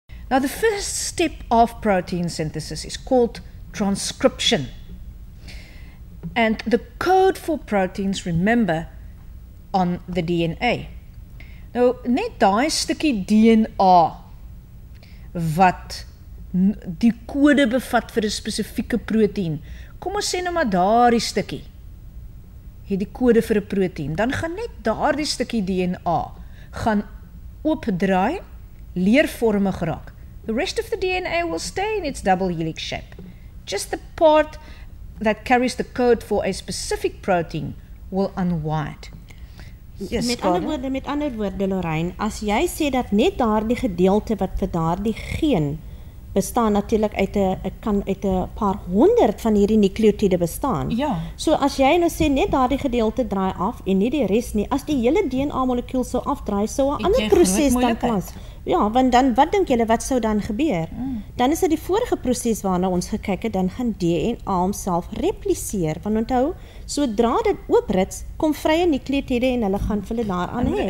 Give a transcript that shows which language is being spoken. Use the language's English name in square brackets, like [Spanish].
[English] Now, the first step of protein synthesis is called transcription. And the code for proteins, remember, on the DNA. [Afrikaans] Nou, net daai stukkie DNA wat die kode bevat vir 'n spesifieke proteïen. Kom ons sê nou maar daai stukkie het die kode vir 'n proteïen. Dan gaan net daai stukkie DNA gaan oopdraai, leervormig raak. [English] The rest of the DNA will stay in its double helix shape. Just the part that carries the code for a specific protein will unwind. [Afrikaans] Yes, met ander woorde, Lorraine, as jy sê dat net daardie gedeelte wat vir daardie geen bestaan natuurlijk uit een paar honderd van hierdie nukleotide bestaan. Ja. So as jy nou sê net daardie gedeelte draai af en nie die rest nie, as die hele DNA molekuul sou afdraai, sou 'n ander proses dan plaas. Ja, want dan wat dink julle wat sou dan gebeur? Dan is dit die vorige proses waarna ons gekyk het, dan gaan DNA homself repliseer. Want onthou, sodra dit ooprits, kom vrye nukleotide en hulle gaan hulle daaraan hê.